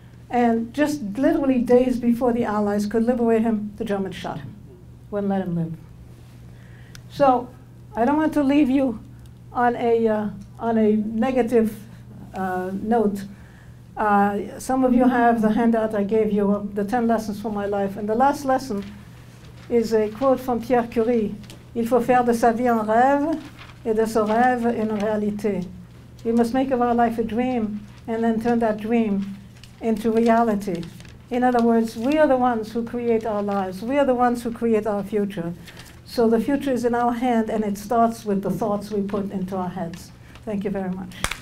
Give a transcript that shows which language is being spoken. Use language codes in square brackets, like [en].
[en] And just literally days before the Allies could liberate him, the Germans shot him, wouldn't let him live. So I don't want to leave you on a negative note. Some of you have the handout I gave you, the 10 lessons from my life. And the last lesson is a quote from Pierre Curie. [fr] Il faut faire de sa vie un rêve et de ce rêve une réalité. [en] We must make of our life a dream and then turn that dream into reality. In other words, we are the ones who create our lives. We are the ones who create our future. So the future is in our hand, and it starts with the thoughts we put into our heads. Thank you very much.